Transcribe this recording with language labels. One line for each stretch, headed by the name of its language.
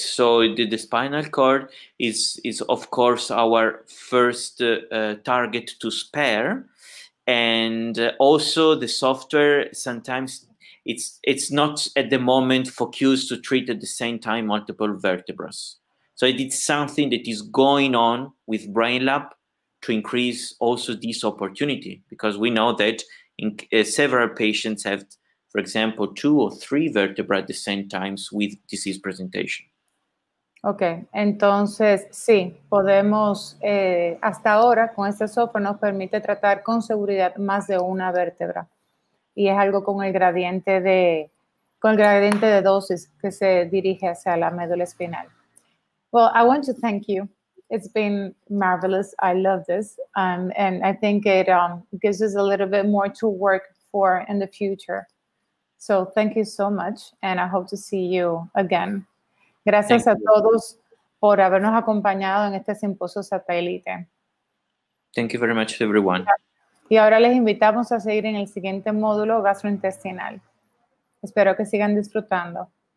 English: So the spinal cord is of course our first target to spare, and also the software sometimes it's not at the moment focused to treat at the same time multiple vertebras. So it is something that is going on with BrainLab to increase also this opportunity because we know that in several patients have, for example, two or three vertebrae at the same times with disease presentation.
Spanish: Okay, entonces sí, podemos hasta ahora con este software nos permite tratar con seguridad más de una vértebra y es algo con el gradiente de dosis que se dirige hacia la médula espinal.
English: Well, I want to thank you. It's been marvelous. I love this. And I think it gives us a little bit more to work for in the future. So thank you so much. And I hope to see you again.
Spanish: Gracias a todos por habernos acompañado en este simposio satélite.
English: Thank you very much, everyone.
Spanish: Y ahora les invitamos a seguir en el siguiente módulo gastrointestinal. Espero que sigan disfrutando.